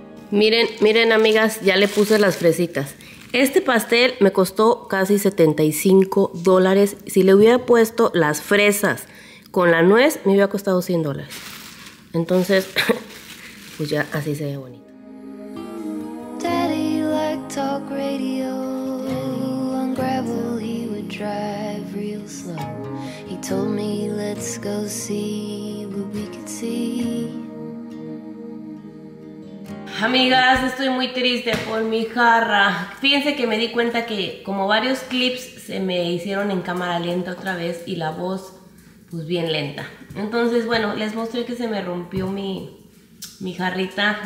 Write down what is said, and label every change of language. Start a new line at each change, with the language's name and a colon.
Spanish: Miren, amigas, ya le puse las fresitas. Este pastel me costó casi $75. Si le hubiera puesto las fresas con la nuez, me hubiera costado $100. Entonces, pues ya así se ve bonito.
English: Daddy liked talk radio. On gravel he would drive real slow. He told me let's go see what we could see.
Spanish: Amigas, estoy muy triste por mi jarra. Fíjense que me di cuenta que como varios clips se me hicieron en cámara lenta otra vez y la voz pues bien lenta. Entonces, bueno, les mostré que se me rompió mi jarrita.